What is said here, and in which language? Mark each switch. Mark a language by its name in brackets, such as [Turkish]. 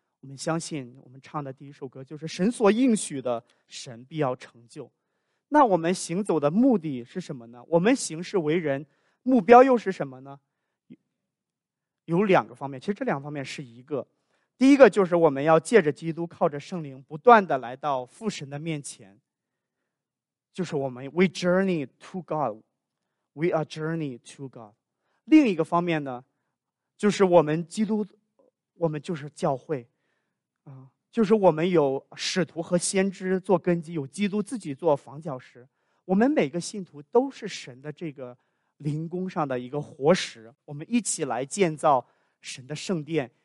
[Chinese] 我们相信我们唱的第一首歌就是神所应许的，神必要成就。那我们行走的目的是什么呢？我们行事为人目标又是什么呢？有两个方面，其实这两方面是一个。第一个就是我们要借着基督，靠着圣灵，不断地来到父神的面前。就是我们 [English] we journey to God, we are journey to God。 [Chinese] 另一个方面呢，就是我们基督，我们就是教会，就是我们有使徒和先知做根基，有基督自己做房角石。我们每个信徒都是神的这个灵工上的一个活石，我们一起来建造神的圣殿。